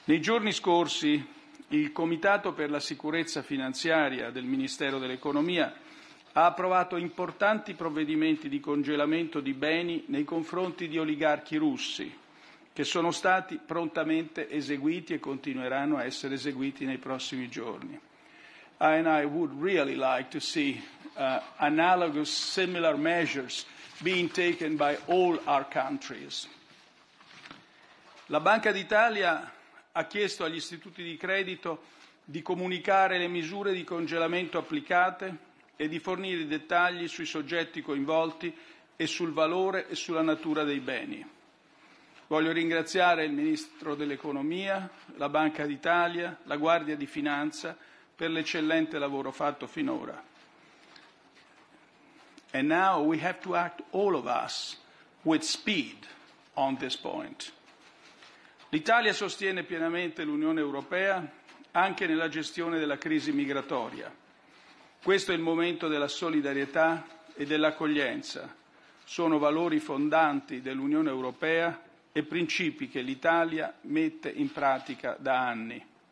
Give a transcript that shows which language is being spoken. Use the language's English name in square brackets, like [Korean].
[Italian] Nei giorni scorsi il Comitato per la sicurezza finanziaria del Ministero dell'Economia ha approvato importanti provvedimenti di congelamento di beni nei confronti di oligarchi russi, che sono stati prontamente eseguiti e continueranno a essere eseguiti nei prossimi giorni. [English] And I would really like to see analogous similar measures being taken by all our countries. [Italian] La Banca d'Italia ha chiesto agli istituti di credito di comunicare le misure di congelamento applicate e di fornire i dettagli sui soggetti coinvolti e sul valore e sulla natura dei beni. Voglio ringraziare il Ministro dell'Economia, la Banca d'Italia, la Guardia di Finanza per l'eccellente lavoro fatto finora. [English] And now we have to act, all of us, with speed on this point. [Italian] L'Italia sostiene pienamente l'Unione Europea anche nella gestione della crisi migratoria. Questo è il momento della solidarietà e dell'accoglienza. Sono valori fondanti dell'Unione Europea e principi che l'Italia mette in pratica da anni.